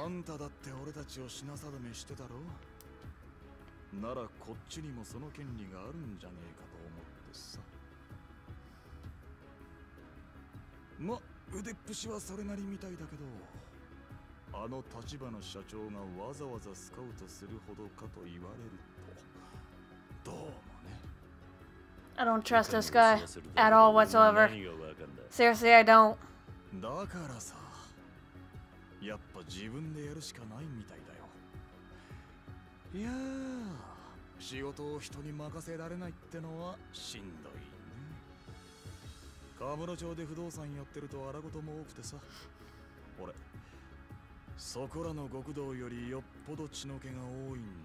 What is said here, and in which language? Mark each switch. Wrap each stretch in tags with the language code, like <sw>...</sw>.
<ja>あんただって俺たちを品定めしてたろ。ならこっちにもその権利があるんじゃねえかと思ってさ。ま、腕っぷしはそれなりみたいだけど、あの立場の社長がわざわざスカウトするほどかと言われると、どうもね。</ja> <en>I don't trust this guy at all whatsoever. Seriously, I don't.</en> <ja>だからさ。やっぱ自分でやるしかないみたいだよ。いやー、仕事を人に任せられないってのはしんどいね。河室町で不動産やってると荒事も多くてさ。俺そこらの極道よりよっぽど血の気が多いんだよね。</ja>